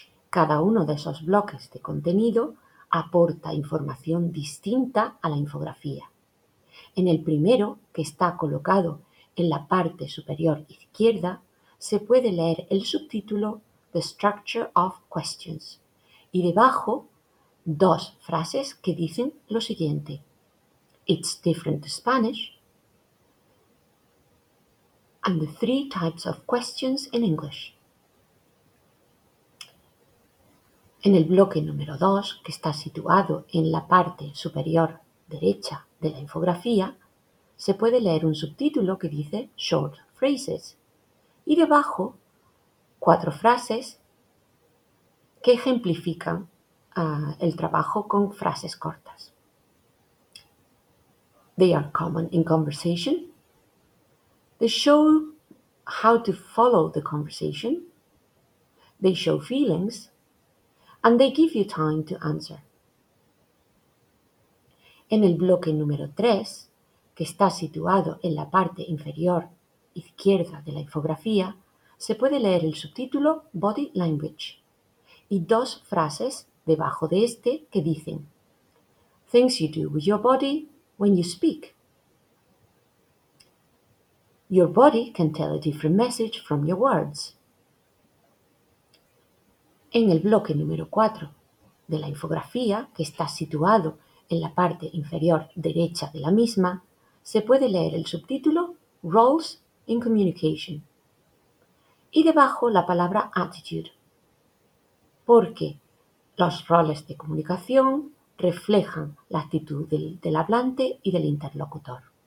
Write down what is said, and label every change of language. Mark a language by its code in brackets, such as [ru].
[es] Cada uno de esos bloques de contenido aporta información distinta a la infografía. En el primero, que está colocado en la parte superior izquierda, se puede leer el subtítulo The Structure of Questions y debajo dos frases que dicen lo siguiente. [en] It's different to Spanish and the three types of questions in English. [es] En el bloque número 2, que está situado en la parte superior derecha de la infografía, se puede leer un subtítulo que dice Short Phrases y debajo cuatro frases que ejemplifican el trabajo con frases cortas. [en] They are common in conversation. They show how to follow the conversation. They show feelings. And they give you time to answer. [es] En el bloque número 3, que está situado en la parte inferior izquierda de la infografía, se puede leer el subtítulo Body Language y dos frases debajo de este que dicen [en] Things you do with your body when you speak. Your body can tell a different message from your words. [es] En el bloque número 4 de la infografía, que está situado en la parte inferior derecha de la misma, se puede leer el subtítulo Roles in Communication y debajo la palabra Attitude, porque los roles de comunicación reflejan la actitud del hablante y del interlocutor.